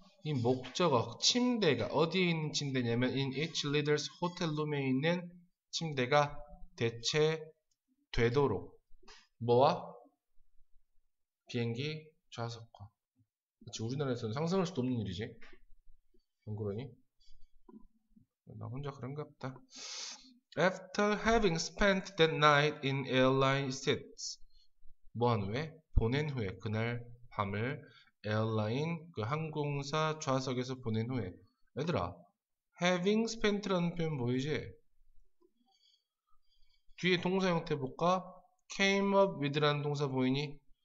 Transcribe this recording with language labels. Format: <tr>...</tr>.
<ko>이 목적어, 침대가 어디에 있는 침대냐면</ko> <en>in each leader's hotel room</en> <ko>에 있는 침대가 대체되도록. 뭐와? 비행기 좌석과. 그치, 우리나라에서는 상상할 수도 없는 일이지. 안 그러니? 나 혼자 그런가 보다.</ko> <en>After having spent that night in airline seats.</en> <ko>뭐한 후에? 보낸 후에. 그날 밤을 에어라인, 그 항공사 좌석에서 보낸 후에. 얘들아, having spent라는 표현 보이지? 뒤에 동사 형태 볼까? came up with라는 동사 보이니?</ko>